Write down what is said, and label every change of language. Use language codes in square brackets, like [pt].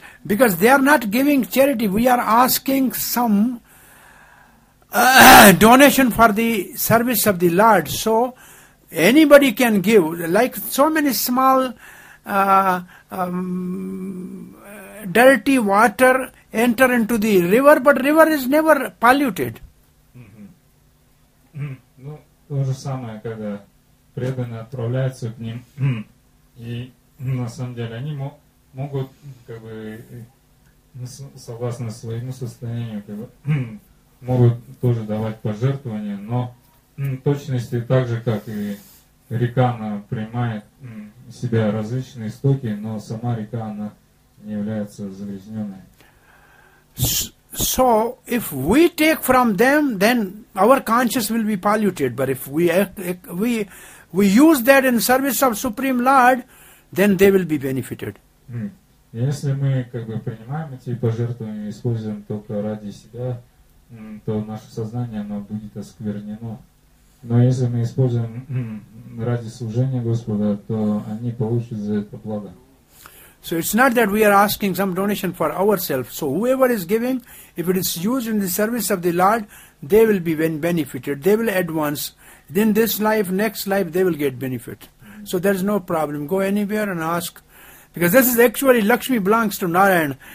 [en] Because they are not giving charity, we are asking some donation for the service of the Lord. So anybody can give, like so many small dirty water enter into the river, but river is never polluted. [ru] Ну, то же самое, когда преданные отправляются к ним и на самом деле они могут, как бы, согласно своему состоянию, как бы, могут тоже давать пожертвования, но точности так же, как и река, она принимает в себя различные истоки, но сама река, она не является загрязненной. [en] So, if we take from them, then our conscience will be polluted, but if we use that in service of Supreme Lord, then they will be benefited. [ru] Если мы, как бы, принимаем эти пожертвования и используем только ради себя, то наше сознание, оно будет осквернено. Но если мы используем ради служения Господа, то они получат за это благо. [en] So it's not that we are asking some donation for ourselves. So whoever is giving, if it is used in the service of the Lord, they will be benefited. They will advance. Then this life, next life, they will get benefit. So there is no problem. Go anywhere and ask. Because this is actually, Lakshmi belongs to Narayan.